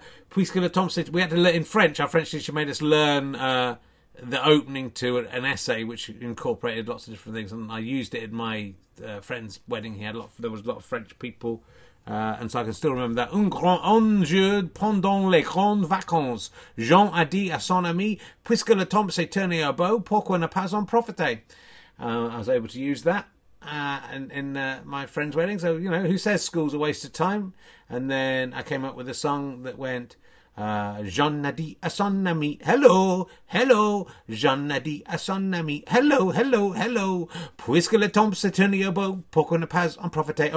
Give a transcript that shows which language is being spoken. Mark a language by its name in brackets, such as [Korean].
[French] Puisque le temps, [English] we had to learn in French. Our French teacher made us learn the opening to an essay, which incorporated lots of different things. And I used it at my friend's wedding. There was a lot of French people, and so I can still remember that. [French] Un grand enjeu pendant les grandes vacances. Jean a dit à son ami, puisque le temps s'est tourné au beau, pourquoi ne pas en profiter? [English] I was able to use that. And in my friend's wedding, so you know, who says school's a waste of time? And then I came up with a song that went, [French] Jean Nadi Asonami, [English] hello, hello, Jean Nadi Asonami, hello, hello, hello, [French] Puisque le temps se tourne au beau, pourquoi ne pas en profiter?